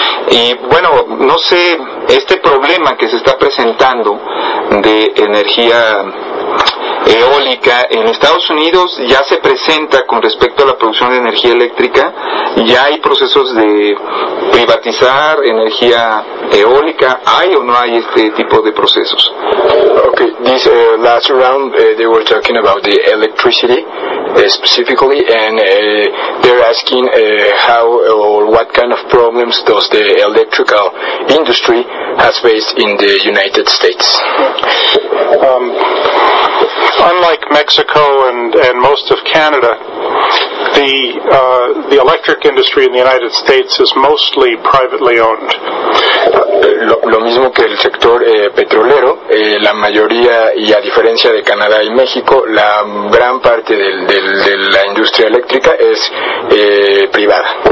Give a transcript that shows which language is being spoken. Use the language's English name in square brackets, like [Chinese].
[Spanish] Y bueno, no sé, este problema que se está presentando de energía eólica en Estados Unidos ya se presenta con respecto a la producción de energía eléctrica. Ya hay procesos de privatizar energía eólica. ¿Hay o no hay este tipo de procesos? [English] Okay, this last round they were talking about the electricity specifically, and they're asking how or what kind of problems does the electrical industry has faced in the United States. Unlike Mexico and most of Canada, the electric industry in the United States is mostly privately owned. [Spanish] Lo mismo que el sector petrolero, la mayoría, y a diferencia de Canadá y México, la gran parte de la industria eléctrica es privada.